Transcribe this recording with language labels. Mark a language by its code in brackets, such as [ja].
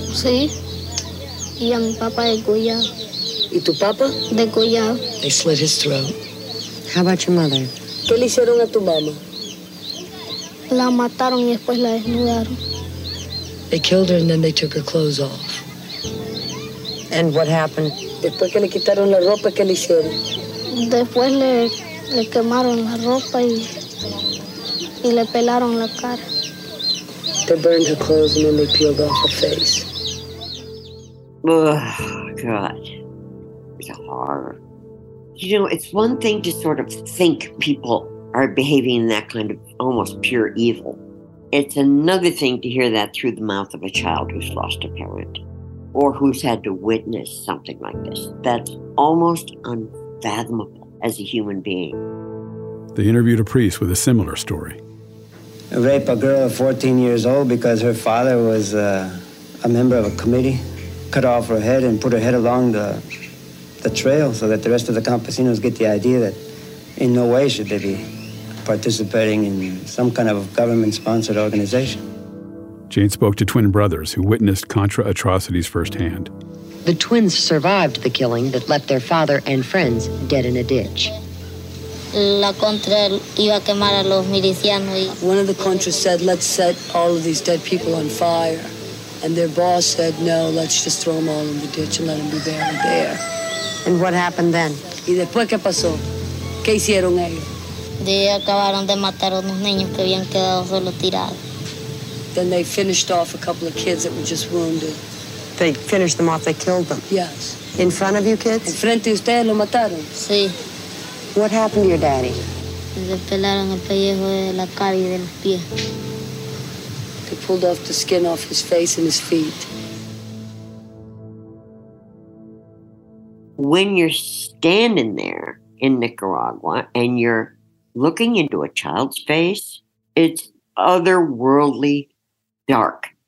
[es] Sí. Y a mi papá de Goya. ¿Y tu papá? De Goya. [en] They slit his throat. How about your mother? [es] ¿Qué le hicieron a tu mamá? La mataron y después la desnudaron. [en] They killed her and then they took her clothes off. And what happened? [es] Después que le quitaron la ropa, ¿qué le hicieron? Después le quemaron la ropa y le pelaron la cara. They burned her clothes and then they peeled off her face. [en] Oh, God. It's a horror. You know, it's one thing to sort of think people are behaving in that kind of almost pure evil. It's another thing to hear that through the mouth of a child who's lost a parent. Or who's had to witness something like this. That's almost unfathomable as a human being. They interviewed a priest with a similar story. Rape a girl of 14 years old because her father was a member of a committee. Cut off her head and put her head along the trail so that the rest of the campesinos get the idea that in no way should they be participating in some kind of government-sponsored organization. Jane spoke to twin brothers who witnessed Contra atrocities firsthand. The twins survived the killing that left their father and friends dead in a ditch. [es] la contra iba a quemar a los milicianos. [en] One of the contras said, let's set all of these dead people on fire. And their boss said, no, let's just throw them all in the ditch and let them be buried there. And what happened then? [es] ¿Y después qué pasó? ¿Qué hicieron ellos? De acabaron de matar a unos niños que habían quedado solo tirados. [en] Then they finished off a couple of kids that were just wounded. They finished them off, they killed them? Yes. In front of you kids? [es] En frente de ustedes lo mataron. Sí. [en] What happened to your daddy? [es] Le pelaron el pellejo de la cara y de los pies. [en] They pulled off the skin off his face and his feet. When you're standing there in Nicaragua and you're looking into a child's face, it's otherworldly dark.